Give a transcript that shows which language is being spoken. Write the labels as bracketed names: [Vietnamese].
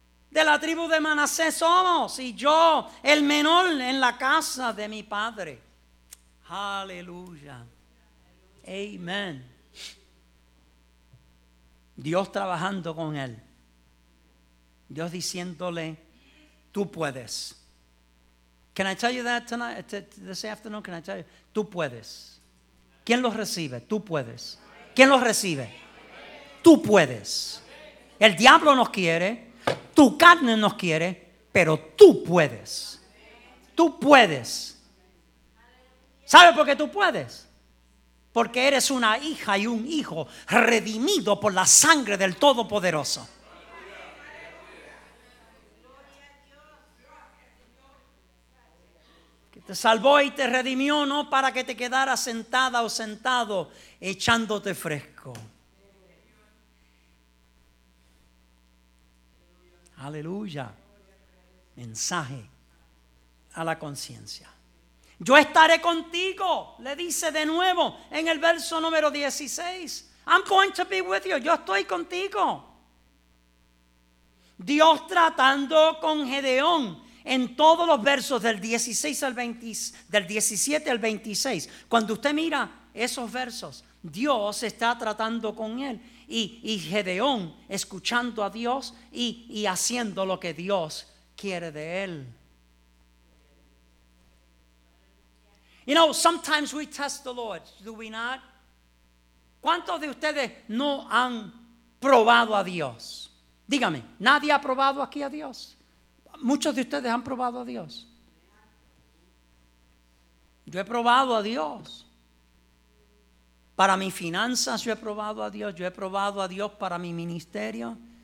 [Spanish] De la tribu de Manasés somos, y yo el menor en la casa de mi padre. Aleluya. Amén. Dios trabajando con él. Dios diciéndole: tú puedes. [English] Can I tell you that tonight, this afternoon, can I tell you? [Spanish] Tú puedes. ¿Quién los recibe? Tú puedes. ¿Quién los recibe? Tú puedes. El diablo nos quiere, tu carne nos quiere, pero tú puedes. Tú puedes. ¿Sabes por qué tú puedes? Porque eres una hija y un hijo redimido por la sangre del Todopoderoso. Te salvó y te redimió no para que te quedaras sentada o sentado echándote fresco. Aleluya. Mensaje a la conciencia. Yo estaré contigo, le dice de nuevo en el verso número 16. [English] I'm going to be with you. [Spanish] Yo estoy contigo. Dios tratando con Gedeón. En todos los versos del 16 al 20, del 17 al 26, cuando usted mira esos versos, Dios está tratando con él y Gedeón escuchando a Dios y haciendo lo que Dios quiere de él. [English] You know, sometimes we test the Lord, do we not? [Spanish] ¿Cuántos de ustedes no han probado a Dios? Dígame, ¿nadie ha probado aquí a Dios? Muchos de ustedes han probado a Dios. Yo he probado a Dios. Para mis finanzas yo he probado a Dios. Yo he probado a Dios para mi ministerio.